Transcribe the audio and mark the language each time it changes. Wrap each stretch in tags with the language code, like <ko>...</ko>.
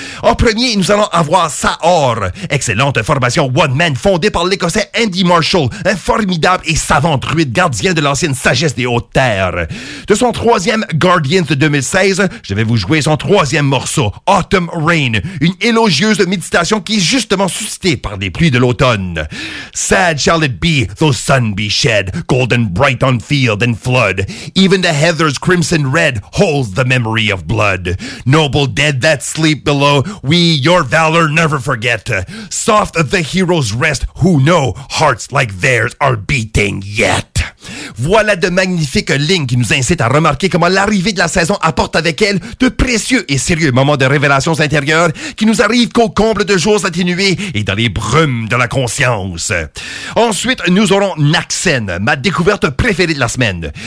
<fr>En premier, nous allons avoir Saor, excellente formation one-man fondée par l'Écossais Andy Marshall, un formidable et savant druide gardien de l'ancienne sagesse des hautes terres. De son troisième Guardians de 2016, je vais vous jouer son troisième morceau, Autumn Rain, une élogieuse méditation qui est justement suscitée par des pluies de l'automne.</fr> <en>Sad shall it be, though sun be shed, golden bright on field and flood. Even the heather's crimson red holds the memory of blood. Noble dead that sleep below, we your valor never forget. Soft the heroes rest, who know hearts like theirs are beating yet.</en> <fr>Voilà de magnifiques lignes qui nous incitent à remarquer comment l'arrivée de la saison apporte avec elle de précieux et sérieux moments de révélations intérieures qui nous arrivent qu'au comble de jours atténués et dans les brumes de la conscience. Ensuite, nous aurons Naxen, ma découverte préférée de la semaine.</fr>